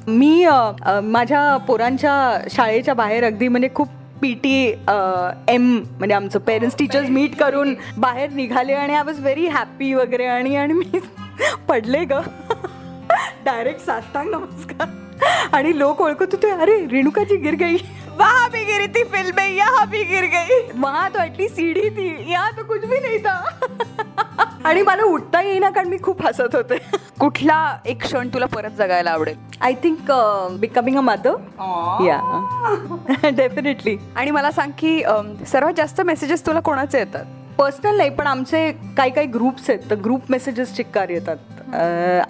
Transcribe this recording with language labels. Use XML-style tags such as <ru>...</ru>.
<mr>मी माझ्या पोरांच्या शाळेच्या बाहेर अगदी म्हणजे खूप PTM म्हणजे आमचं पेरेंट्स टीचर्स मीट करून बाहेर निघाले आणि</mr> <en>I was very happy</en> <mr>वगैरे आणि मी पडले ग डायरेक्ट साष्टांग नमस्कार आणि लोक ओळखत होते, अरे रेणुकाची</mr> <hi>गिर गई. वहां भी गिरी थी फिल्म में, यहाँ भी गिर गई. वहां तो एटली सीढ़ी थी, यहाँ तो कुछ भी नहीं था.</hi> <mr>आणि मला उठता येईना कारण मी खूप हसत होते. कुठला एक क्षण तुला परत जगायला आवडेल?</mr> <en>I think becoming a mother. Yeah, definitely.</en> <mr>आणि मला सांग की सर्वात जास्त मेसेजेस तुला कोणाचे येतात? पर्सनल नाही, पण आमचे काही काही ग्रुप्स आहेत तर ग्रुप मेसेजेस चिक्कार येतात.</mr>